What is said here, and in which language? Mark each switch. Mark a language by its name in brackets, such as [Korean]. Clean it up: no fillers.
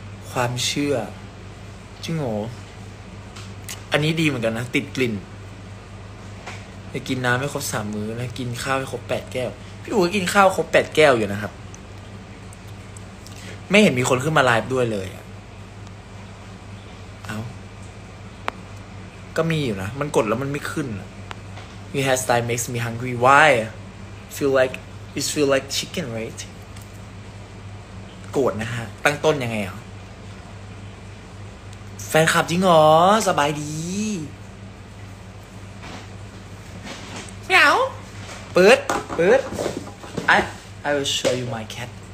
[Thai] ความเชื่อจริงเหรออันนี้ดีเหมือนกันนะติดกลิ่นจะกินน้ำไม่ครบ3มื้อนะกินข้าวไม่ครบ8แก้วพี่อู๋กินข้าวครบ8แก้วอยู่นะครับไม่เห็นมีคนขึ้นมาไลฟ์ด้วยเลยอ่ะเอา ก็มีอยู่นะมันกดแล้วมันไม่ขึ้น [English] Your hairstyle makes me hungry. Why? Feel like it feel like chicken, right? [Thai] โกรธนะฮะตั้งต้นยังไงอ่ะแฟนคลับจริงหรอสบายดี เหงา เปิดเปิด [English] I will show you my cat.